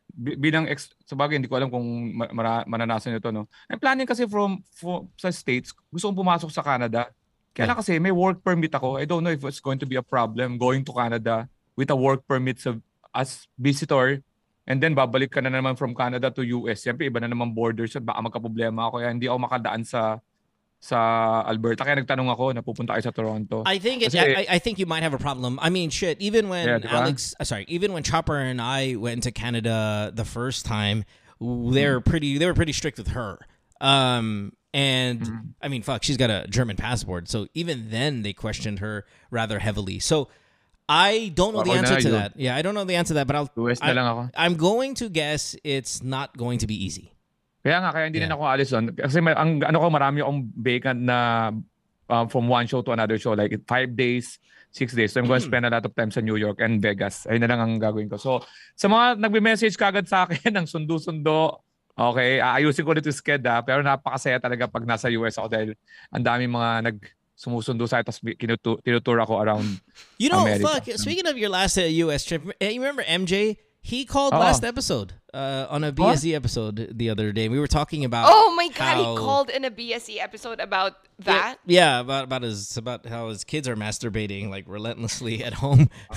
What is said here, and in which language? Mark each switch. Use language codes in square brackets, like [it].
[tl] Bilang ex, sabagay, hindi ko alam kung mananasan nyo ito, no? [en] I'm planning [tl] kasi from sa States, gusto kong pumasok sa Canada. Kaya lang kasi may work permit ako. [en] I don't know if it's going to be a problem going to Canada with a work permit as visitor and then [tl] babalik ka na naman [en] from Canada to US. [tl] Siyempre, iba na naman borders. Baka magka-problema ako. Kaya hindi ako makadaan sa Alberta. Kaya nagtanong ako, napupunta kayo sa Toronto. [en] I think you might have a problem. I mean, shit, even when Chopper and I went to Canada the first time, they were pretty strict with her. I mean, fuck, she's got a German passport. So even then, they questioned her rather heavily. So I don't know the answer to that. Yeah, I don't know the answer to that, but I'm going to guess it's not going to be easy. [tl] Kaya nga, kaya hindi rin ako alis doon. Kasi marami akong vacant na [en] from one show to another show, like 5 days, 6 days. So I'm going to spend a lot of time sa New York and Vegas. [tl] Ayun na lang ang gagawin ko. So sa mga nagbe-message kagad sa akin ng sundo-sundo, okay, ayusin ko dito sked, ha? Pero napakasaya talaga pag nasa US ako dahil ang dami mga nagsumusundo sa'yo tapos tinutour ako around [en] You know, America. Fuck, speaking of your last US trip, you remember MJ? He called last episode on a BSE episode the other day. We were talking about... Oh my God, he called in a BSE episode about that? Yeah, about how his kids are masturbating like relentlessly at home.